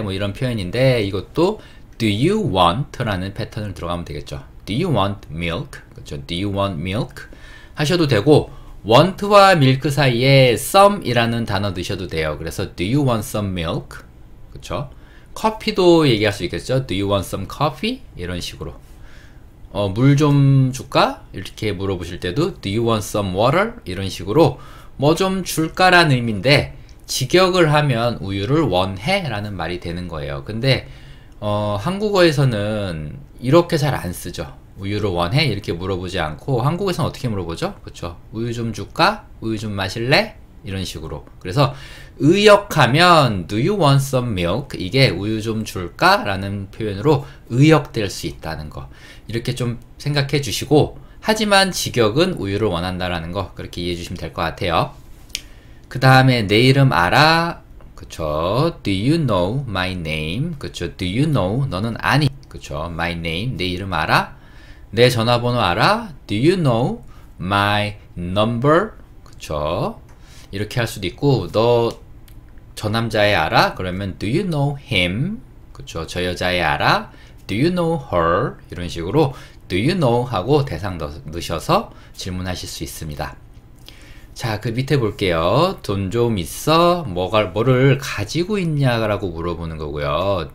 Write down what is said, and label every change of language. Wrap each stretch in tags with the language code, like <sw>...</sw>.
<ko>뭐 이런 표현인데, 이것도 do you want라는 패턴을 들어가면 되겠죠.</ko> <en>Do you want milk? 그렇죠. Do you want milk?</en> <ko>하셔도 되고, want와 milk 사이에 some이라는 단어 넣으셔도 돼요. 그래서</ko> <en>do you want some milk?</en> <ko>그렇죠. 커피도 얘기할 수 있겠죠?</ko> <en>Do you want some coffee?</en> <ko>이런 식으로. 물좀 줄까? 이렇게 물어보실 때도</ko> <en>Do you want some water?</en> <ko>이런 식으로 뭐좀 줄까라는 의미인데, 직역을 하면 우유를 원해라는 말이 되는 거예요. 근데 한국어에서는 이렇게 잘안 쓰죠. 우유를 원해? 이렇게 물어보지 않고 한국에서는 어떻게 물어보죠? 그렇죠? 우유 좀 줄까? 우유 좀 마실래? 이런 식으로. 그래서 의역하면</ko> <en>Do you want some milk?</en> <ko>이게 우유 좀 줄까라는 표현으로 의역될 수 있다는 거. 이렇게 좀 생각해 주시고, 하지만 직역은 우유를 원한다라는 거, 그렇게 이해해 주시면 될것 같아요. 그 다음에 내 이름 알아? 그쵸?</ko> <en>Do you know my name?</en> <ko>그쵸?</ko> <en>Do you know?</en> <ko>너는 아니? 그쵸?</ko> <en>My name?</en> <ko>내 이름 알아? 내 전화번호 알아?</ko> <en>Do you know my number?</en> <ko>그쵸? 이렇게 할 수도 있고, 너저 남자애 알아? 그러면</ko> <en>Do you know him?</en> <ko>그쵸? 저 여자애 알아?</ko> <en>Do you know her?</en> <ko>이런 식으로</ko> <en>Do you know?</en> <ko>하고 대상 넣으셔서 질문하실 수 있습니다. 자, 그 밑에 볼게요. 돈좀 있어? 뭐를 가지고 있냐라고 물어보는 거고요.</ko>